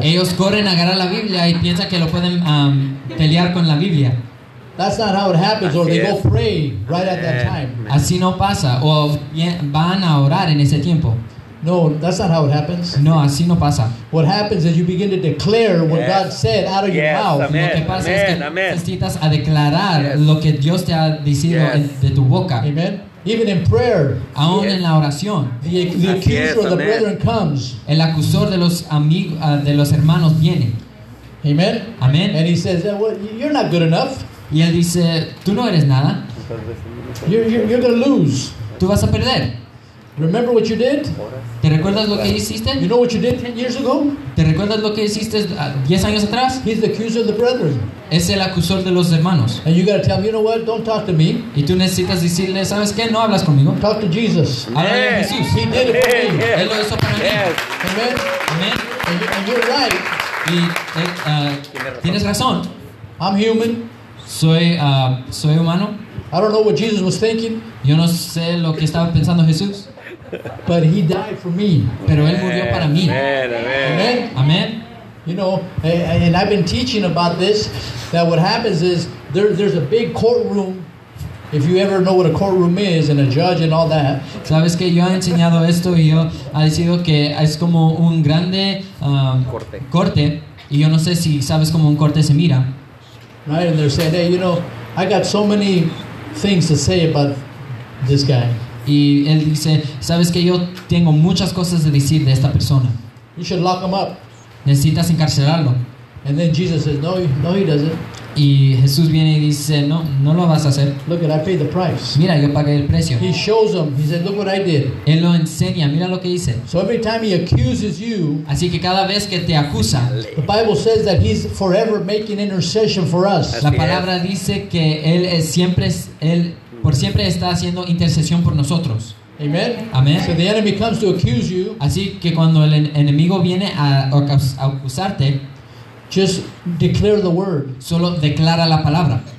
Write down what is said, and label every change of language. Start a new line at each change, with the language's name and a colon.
Spanish: Ellos corren a agarrar la Biblia y piensan que lo pueden pelear con la Biblia.
English: That's not how it happens. Or they go pray right at that time.
Spanish: Así no pasa. O van a orar en ese tiempo.
English: No, that's not how it happens.
Spanish: No, así no pasa.
English: What happens is you begin to declare what God said out of your mouth.
Spanish: Amen. Lo que pasa amen. Es que amen. Necesitas a declarar lo que Dios te ha dicho de tu boca.
English: Amen. Even in prayer,
Spanish: aún en la oración,
English: the accuser of the brethren comes.
Spanish: El acusador de los amigos de los hermanos viene.
English: Amen.
Spanish: Amen.
English: And he says, well, "You're not good enough."
Spanish: Y él dice, "Tú no eres nada."
English: You're going to lose.
Spanish: Tú vas a perder.
English: Remember what you did?
Spanish: ¿Te recuerdas lo que hiciste?
English: You know what you did 10 years ago?
Spanish: ¿Te recuerdas lo que hiciste 10 años atrás?
English: He's the accuser of the brethren.
Spanish: Es el acusador de los hermanos.
English: And you got to tell him, you know what? Don't talk to me.
Spanish: Y tú necesitas decirle, ¿sabes qué? No hablas conmigo.
English: Talk to Jesus.
Spanish: Habla de Jesús.
English: He did it for me. Yeah.
Spanish: Él lo hizo para mí.
English: Amen.
Spanish: Amen.
English: And you're right.
Spanish: Y tienes razón.
English: I'm human.
Spanish: Soy humano.
English: I don't know what Jesus was thinking.
Spanish: Yo no sé lo que estaba pensando Jesús.
English: But he died for me.
Spanish: Pero él murió para mí.
English: Amen.
Spanish: Amen.
English: You know, and I've been teaching about this, that what happens is there's a big courtroom. If you ever know what a courtroom is and a judge and all that.
Spanish: Sabes que yo he enseñado esto y yo he dicho que es como un grande corte. Y yo no sé si sabes cómo un corte se mira.
English: Right, and they're saying, hey, you know, I got so many things to say about this guy.
Spanish: Y él dice, sabes que yo tengo muchas cosas de decir de esta persona.
English: You should lock him up.
Spanish: Necesitas encarcelarlo.
English: And then Jesus says, no, he doesn't.
Spanish: Y Jesús viene y dice, no lo vas a hacer.
English: Look at, I paid the price.
Spanish: Mira, yo pagué el precio.
English: He shows him. He says, look what I did.
Spanish: Él lo enseña. Mira lo que hice.
English: So every time he accuses you,
Spanish: así que cada vez que te acusa,
English: the Bible says that he's forever making intercession for us.
Spanish: La palabra dice que él es siempre él por siempre está haciendo intercesión por nosotros.
English: Amen.
Spanish: Amen.
English: So the enemy comes to accuse you.
Spanish: Así que cuando el enemigo viene a acusarte,
English: just declare the word.
Spanish: Solo declara la palabra.